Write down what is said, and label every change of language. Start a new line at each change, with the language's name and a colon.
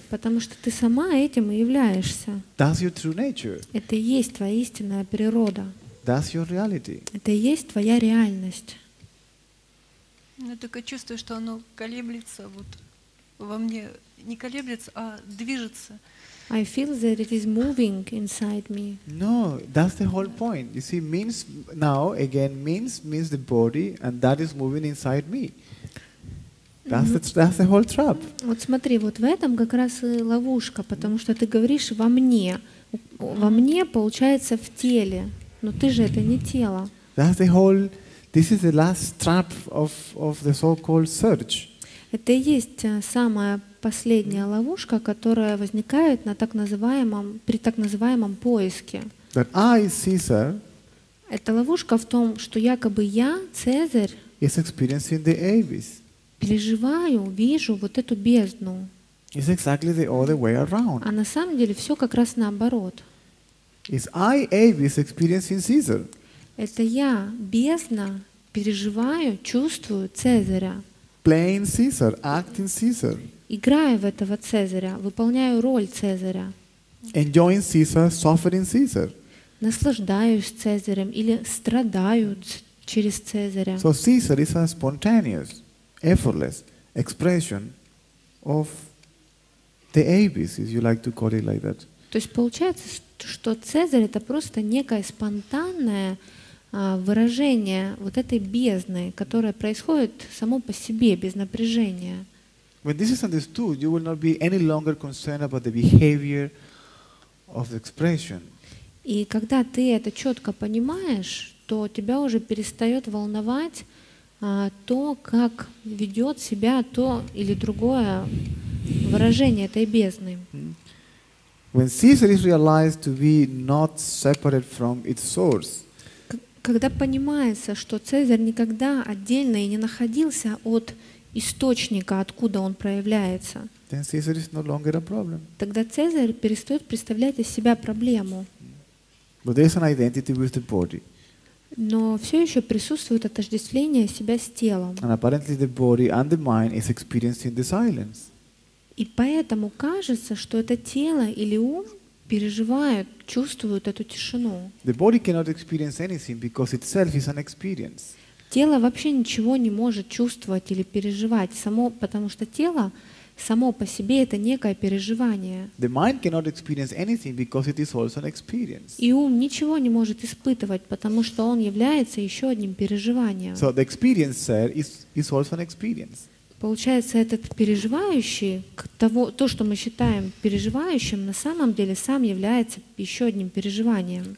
Russian: Потому что ты сама этим и являешься.
English: That's your true nature.
Russian: Это и есть твоя истинная природа.
English: That's your reality.
Russian: Это и есть твоя реальность. Я только чувствую, что оно колеблется вот во мне. Не колеблется, а движется.
English: I feel that it is moving inside me. No, that's the whole point. You see, means now again means the body, and that is moving inside me. That's the whole trap.
Russian: Вот смотри, вот в этом как раз и ловушка, потому что ты говоришь во мне получается в теле, но ты же это не тело.
English: That's the whole. This is the last trap of the so-called search.
Russian: Это и есть самое. Последняя ловушка, которая возникает на так называемом поиске.
English: That I, Caesar,
Russian: это ловушка в том, что якобы я, Цезарь,
English: is experiencing the abyss.
Russian: Переживаю, вижу вот эту бездну.
English: It's exactly the other way around.
Russian: А на самом деле все как раз наоборот.
English: It's I, abyss, experiencing Caesar.
Russian: Это я, бездна, переживаю, чувствую Цезаря.
English: Playing Caesar, acting Caesar.
Russian: Играю в этого Цезаря, выполняю роль Цезаря.
English: Enjoying Caesar, suffering Caesar.
Russian: Наслаждаюсь Цезарем или страдаю через Цезаря.
English: So Caesar is a spontaneous, effortless expression of the abyss, if you like to call it like that.
Russian: То есть получается, что Цезарь — это просто некое спонтанное выражение вот этой бездны, которая происходит само по себе, без напряжения.
English: When this is understood, you will not be any longer concerned about the behavior of the expression.
Russian: И когда ты это четко понимаешь, то тебя уже перестает волновать то, как ведет себя то или другое выражение этой бездны.
English: When Caesar is realized to be not separate from its source.
Russian: Когда понимается, что Цезарь никогда отдельно и не находился от источника, откуда он проявляется,
English: then Caesar is no longer a problem.
Russian: Тогда Цезарь перестает представлять из себя проблему.
English: But there is an identity with the body.
Russian: Но все еще присутствует отождествление себя с телом.
English: And apparently the body and the mind is experiencing the silence.
Russian: И поэтому кажется, что это тело или ум переживают, чувствуют эту тишину.
English: The body cannot experience anything because itself is an experience.
Russian: Тело вообще ничего не может чувствовать или переживать, само, потому что тело само по себе — это некое переживание.
English: The mind cannot experience anything because it is also an experience.
Russian: И ум ничего не может испытывать, потому что он является еще одним переживанием.
English: So the experiencer is also an experience.
Russian: Получается, этот переживающий, то, что мы считаем переживающим, на самом деле сам является еще одним переживанием.